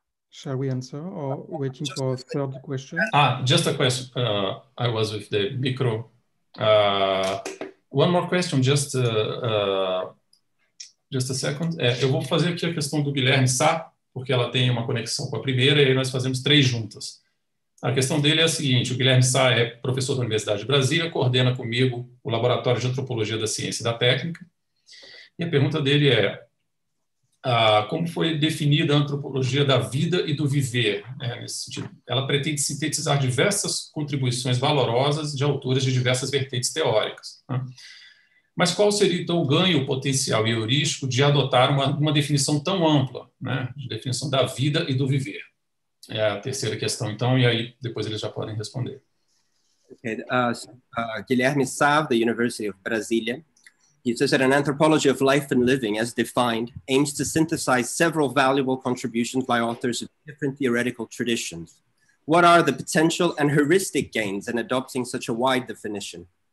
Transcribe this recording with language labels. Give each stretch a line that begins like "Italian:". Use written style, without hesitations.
English: Shall we answer or waiting just for a third question? Just a question. I was with the micro. One more question, just a second.
Portuguese: Eu vou fazer aqui a questão do Guilherme Sá, porque ela tem uma conexão com a primeira, e aí nós fazemos três juntas. A questão dele é a seguinte, o Guilherme Sá é professor da Universidade de Brasília, coordena comigo o Laboratório de Antropologia da Ciência e da Técnica, e a pergunta dele é, como foi definida a antropologia da vida e do viver? Nesse sentido, ela pretende sintetizar diversas contribuições valorosas de autores de diversas vertentes teóricas. Mas qual seria então o ganho potencial e heurístico de adotar uma definição tão ampla, de definição da vida e do viver? É a terceira questão, então, e aí depois eles já podem responder.
English: Guilherme Sá, da University of Brasília. He says that an anthropology of life and living, as defined, aims to synthesize several valuable contributions by authors of different theoretical traditions. What are the potential and heuristic gains in adopting such a wide definition?